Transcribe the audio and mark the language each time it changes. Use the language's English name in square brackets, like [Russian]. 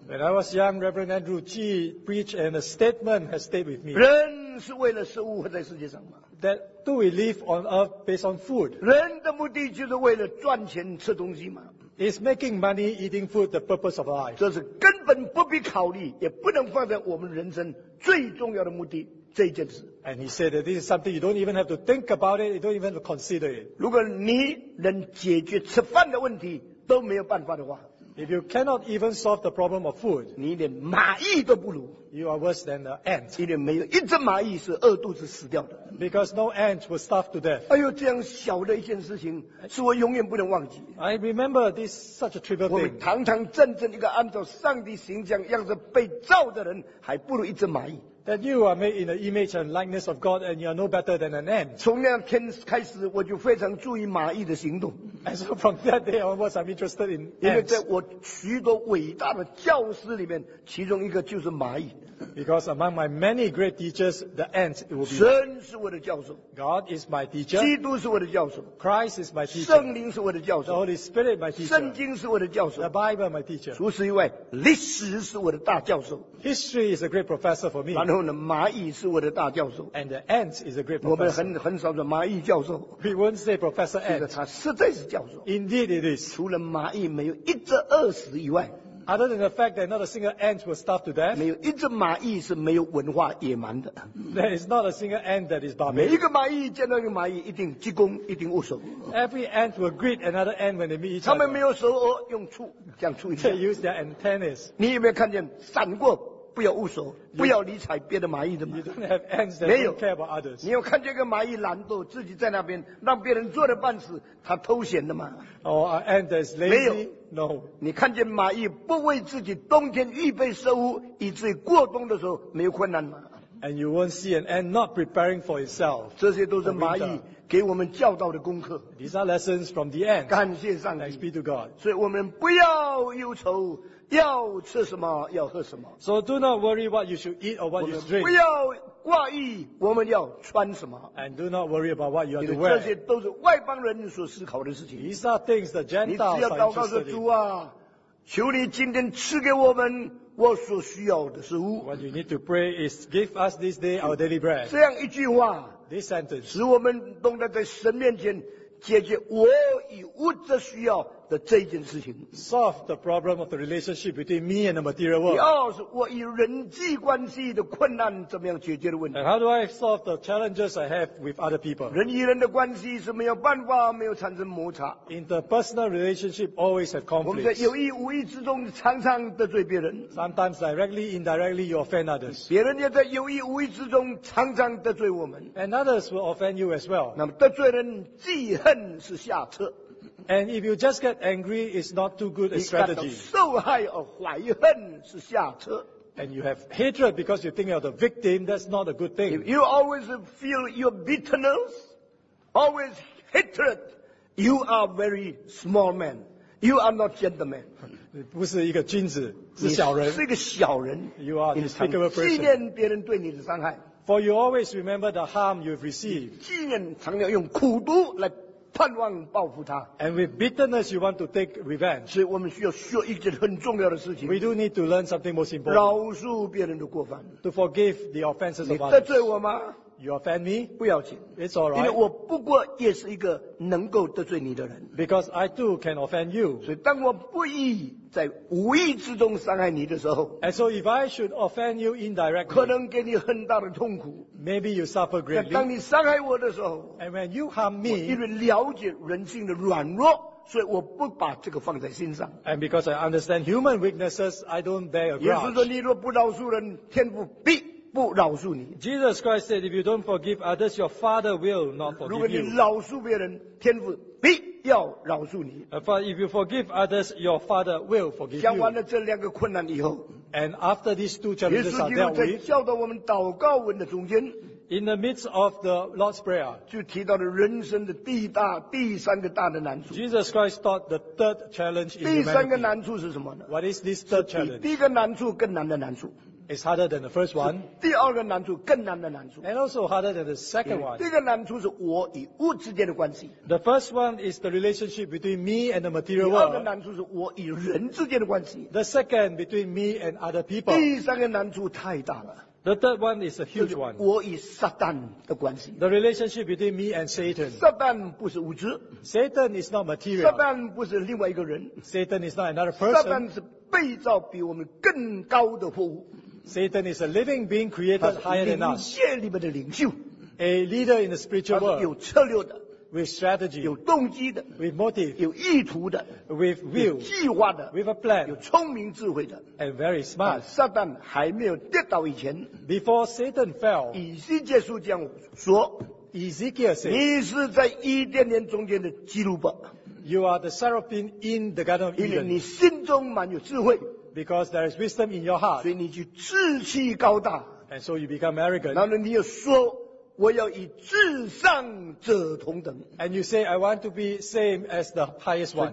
[English] When I was young, Reverend Andrew G. preached, and a statement has stayed with me. [Chinese] 人是为了食物活在世界上吗 [English] ？That do we live on earth based on food? [Chinese] 人的目的就是为了赚钱吃东西吗 [English] ？Is making money eating food the purpose of life? [Chinese] 这是根本不必考虑，也不能放在我们人生最重要的目的。这件事 [English] ，And he said that this is something you don't even have to think about it, you don't even have to consider it. [Chinese] 如果你能解决吃饭的问题都没有办法的话 [English] ，If you cannot even solve the problem of food, [Chinese] 你连蚂蚁都不如 [English] ，You are worse than the ant. [Chinese] 因为没有一只蚂蚁是饿肚子死掉的 [English] ，Because no ant will starve to death. [Chinese] 哎呦，这样小的一件事情是我永远不能忘记。 [English] I remember this such a trivial thing. [Chinese] 我们堂堂正正一个按照上帝形象样子被造的人，还不如一只蚂蚁。 [English] That you are made in the image and likeness of God and you are no better than an ant. [Chinese] 从那天开始我就非常注意蚂蚁的行动。 [English] And so from that day onwards I'm interested in ants. [Chinese] 因为在我许多伟大的教师里面其中一个就是蚂蚁。 [English] Because among my many great teachers, the ant it will be. [Chinese] 神是我的教授。 [English] God is my teacher. [Chinese] 基督是我的教授。 [English] Christ is my teacher. [Chinese] 圣灵是我的教授。 [English] The Holy Spirit my teacher. [Chinese] 圣经是我的教授。 [English] The Bible my teacher. [Chinese] 除此以外历史是我的大教授。 [English] History is a great professor for me. [Chinese] 然后呢，蚂蚁是我的大教授。 [English] And the ant is a great professor. [Chinese] 我们很少说蚂蚁教授。 [English] We won't say professor ant. [Chinese] 其实他实在是教授。 [English] Indeed it is. [Chinese] 除了蚂蚁没有一只饿死以外。 [English] Other than the fact that not a single ant will starve to death. [Chinese] 没有一只蚂蚁是没有文化野蛮的。 [English] There is not a single ant that is barbaric. [Chinese] 每一个蚂蚁见到一个蚂蚁一定鞠躬一定握手。 [English] Every ant will greet another ant when they meet each other. [Chinese] 他们没有手哦用触这样触一下。 [English] They use their antennas. [Chinese] 你有没有看见闪过不要无所，不要理睬别的蚂蚁的嘛。 [English] You don't have ants that don't care about others. [Chinese] 你有看这个蚂蚁懒惰，自己在那边让别人做了半死，他偷闲的嘛。 [English] Oh, are ants that's lazy? [Chinese] 没有 [English] No. [Chinese] 你看见蚂蚁不为自己冬天预备食物，以至于过冬的时候没有困难嘛。 [English] And you won't see an ant not preparing for itself. [Chinese] 这些都是蚂蚁给我们教导的功课。 [English] These are lessons from the ants. [Chinese] 感谢上帝。 [English] Thanks be to God. [Chinese] 所以我们不要忧愁。要吃什么要喝什么 [English] So do not worry what you should eat or what you should drink [Chinese] 不要挂意我们要穿什么 [English] And do not worry about what you are to wear [Chinese] 这些都是外邦人所思考的事情 [English] These are things the Gentiles are interested in [Chinese] 你只要祷告说主啊求你今天赐给我们我所需要的食物 [English] What you need to pray is give us this day our daily bread [Chinese] 这样一句话 [English] This sentence [Chinese] 使我们懂得在神面前解决我与物质需要的这件事情 [English] solve the problem of the relationship between me and the material world [Chinese] 第二是我与人际关系的困难怎么样解决的问题 [English] and how do I solve the challenges I have with other people [Chinese] 人与人的关系是没有办法没有产生摩擦 [English] interpersonal relationship always have conflicts [Chinese] 我们在有意无意之中常常得罪别人 [English] sometimes directly indirectly you offend others [Chinese] 别人也在有意无意之中常常得罪我们 [English] and others will offend you as well [Chinese] 那么得罪人记恨是下策 [English] and if you just get angry it's not too good a strategy [Chinese] 你感到受害而怀恨是下策 [English] and you have hatred because you think you're the victim that's not a good thing if you always feel your bitterness always hatred you are very small man you are not gentleman [Chinese] 你不是一个君子是小人你是一个小人 [English] you are a despicable person [Chinese] 纪念别人对你的伤害 [English] For you always remember the harm you've received. [Chinese] 纪念常要用苦毒来盼望报复他。 [English] And with bitterness you want to take revenge. [Chinese] 所以我们需要学一件很重要的事情。 [English] We do need to learn something most important. [Chinese] 饶恕别人的过犯。 [English] To forgive the offenses of others. [Chinese] 你得罪我吗？ [English] You offend me? [Chinese] 不要紧。 [English] It's alright. [Chinese] 因为我不过也是一个能够得罪你的人。 [English] Because I too can offend you. [Chinese] 所以当我不意在无意之中伤害你的时候。 [English] And so if I should offend you indirectly. [Chinese] 可能给你很大的痛苦。 [English] Maybe you suffer greatly. [Chinese] 但当你伤害我的时候。 [English] And when you harm me. [Chinese] 我因为了解人性的软弱。所以我不把这个放在心上。 [English] And because I understand human weaknesses, I don't bear a grudge. [Chinese] 也就是说你若不饶恕人天父必不饶恕你。 [English] Jesus Christ said, if you don't forgive others, your Father will not forgive you. [Chinese] 如果你饶恕别人，天父必要饶恕你。 [English] But if you forgive others, your Father will forgive you. [Chinese] 讲完了这两个困难以后。 [English] And after these two challenges are dealt with. [Chinese] 耶稣基督在教导我们祷告文的中间。 [English] In the midst of the Lord's Prayer. [Chinese] 就提到了人生的第三个大的难处。 [English] Jesus Christ taught the third challenge in humanity. [Chinese] 第三个难处是什么呢? [English] What is this third challenge? [Chinese] 第一个难处更难的难处。 [English] It's harder than the first one. [Chinese] 第二个难处更难的难处。 [English] And also harder than the second one. [Chinese] 第一个难处是我与物之间的关系。 [English] The first one is the relationship between me and the material world. [Chinese] 第二个难处是我与人之间的关系。 [English] The second between me and other people. [Chinese] 第三个难处太大了。 [English] The third one is a huge one. [Chinese] 我与撒旦的关系。 [English] The relationship between me and Satan. [Chinese] 撒旦不是物质。 [English] Satan is not material. [Chinese] 撒旦不是另外一个人。 [English] Satan is not another person. [Chinese] 撒旦是被造比我们更高的货物。 [English] Satan is a living being created higher than us. [Chinese] 灵界里面的领袖。 [English] A leader in the spiritual world. [Chinese] 有策略的。 [English] With strategy. [Chinese] 有动机的。 [English] With motive. [Chinese] 有意图的。 [English] With will. [Chinese] 有计划的。 [English] With a plan. [Chinese] 有聪明智慧的。 [English] And very smart. [Chinese] 撒旦还没有跌倒以前。 [English] Before Satan fell. [Chinese] 以西结书这样说。 [English] Ezekiel said. [Chinese] 你是在伊甸园中间的基路伯。 [English] You are the seraphim in the Garden of Eden. [Chinese] 因为你心中满有智慧。 [English] Because there is wisdom in your heart. [Chinese] 所以你就志气高大。 [English] And so you become arrogant. [Chinese] 然后你又说我要与至上者同等。 [English] And you say, I want to be same as the highest one. [Chinese] 所以